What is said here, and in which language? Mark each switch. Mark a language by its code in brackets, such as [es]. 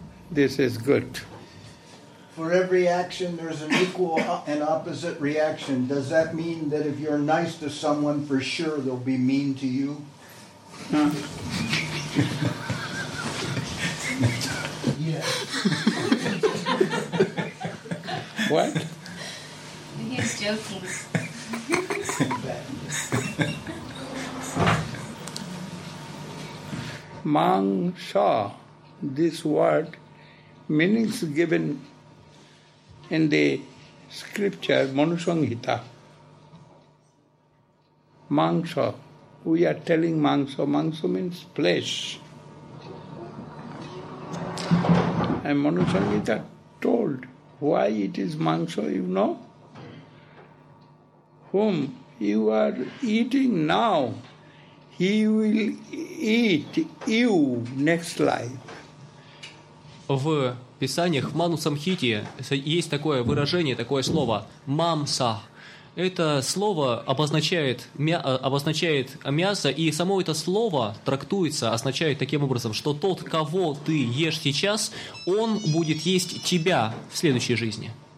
[en] This is good. For every action there's an equal and opposite reaction. Does that mean that if you're nice to someone for sure they'll be mean to you? What? He's joking. Mangsha, this word, meanings given in the scripture, Manusanghita. Mangsha, we are telling Mangsha. Mangsha means flesh. And Manusanghita told why it is mangsa, you know? Whom you are eating now, he will eat you next life. [ru] В писаниях Манусамхити есть такое выражение, такое слово «мамса». Это слово обозначает мясо, и само это слово трактуется, означает таким образом, что тот, кого ты ешь сейчас, он будет есть тебя в следующей жизни.